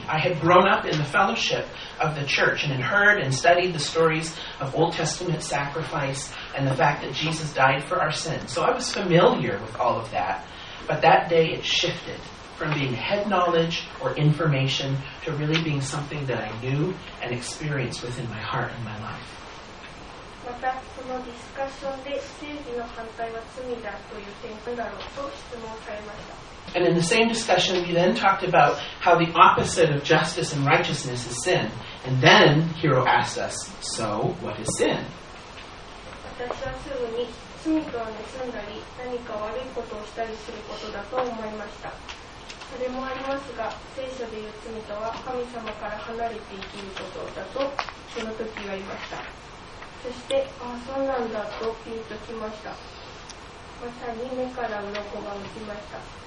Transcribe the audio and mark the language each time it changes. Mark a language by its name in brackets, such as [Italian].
[English] I had grown up in the fellowship of the church and had heard and studied the stories of Old Testament sacrifice and the fact that Jesus died for our sins. So I was familiar with all of that, but that day it shifted from being head knowledge or information to really being something that I knew and experienced within my heart and my life. [Japanese] またそのディスカッションで正義の反対は罪だという点だろうと質問されました。 [English] And in the same discussion, we then talked about how the opposite of justice and righteousness is sin. And then Hiro asked us, "So, what is sin?" [Japanese] 私はすぐに罪とは盗んだり、何か悪いことをしたりすることだと思いました。それもありますが、聖書で言う罪とは神様から離れて生きることだとその時言いました。そしてああそうなんだとピンときました。まさに目から鱗が落ちました。